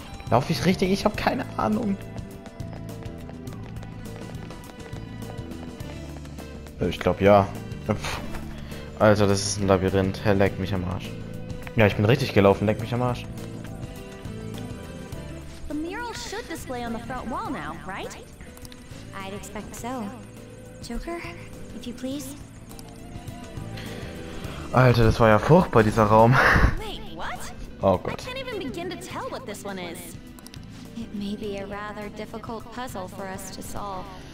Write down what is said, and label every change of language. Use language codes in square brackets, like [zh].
[de] Laufe ich richtig? Ich habe keine Ahnung. Ich glaube ja. Also das ist ein Labyrinth. Herr, leck mich am Arsch. Ja, ich bin richtig gelaufen. Leck mich am Arsch. [en] The mural should display on the front wall now, right? I'd expect so. Joker, if you please. [de] Alter, das war ja furchtbar, dieser Raum. [en] Wait, what? [de] Oh Gott. [en] I can't even begin to tell what this one is. It may be a rather difficult puzzle for us to solve.